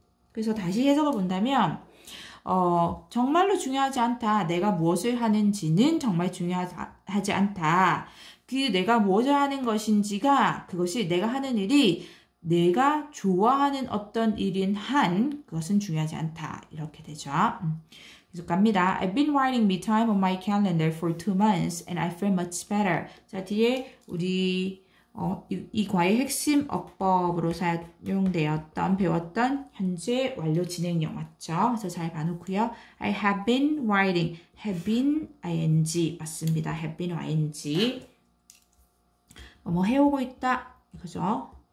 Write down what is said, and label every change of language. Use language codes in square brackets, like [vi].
[ko] 그래서 다시 해석을 본다면, 정말로 중요하지 않다. 내가 무엇을 하는지는 정말 중요하지 않다. 그 내가 무엇을 하는 것인지가 그것이 내가 하는 일이 내가 좋아하는 어떤 일인 한 그것은 중요하지 않다. 이렇게 되죠. 계속 갑니다. [en] I've been writing me time on my calendar for 2 months and I feel much better. [ko] 자, 뒤에 우리 이 과의 핵심 어법으로 사용되었던, 배웠던 현재 완료 진행형 맞죠? 그래서 잘 봐놓고요. [en] I have been writing. have been ing. [ko] 맞습니다. [en] have been ing. [ko] 뭐 해오고 있다. 이거죠.